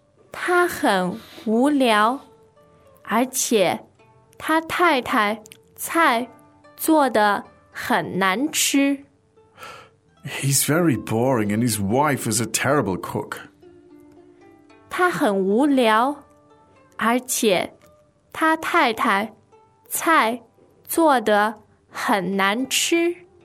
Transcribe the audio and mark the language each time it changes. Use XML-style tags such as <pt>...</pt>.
<zh>他很无聊，而且他太太菜做得很难吃。</zh> <en>He's very boring and his wife is a terrible cook.</en> <zh>他很无聊，而且他太太菜做得很难吃。</zh>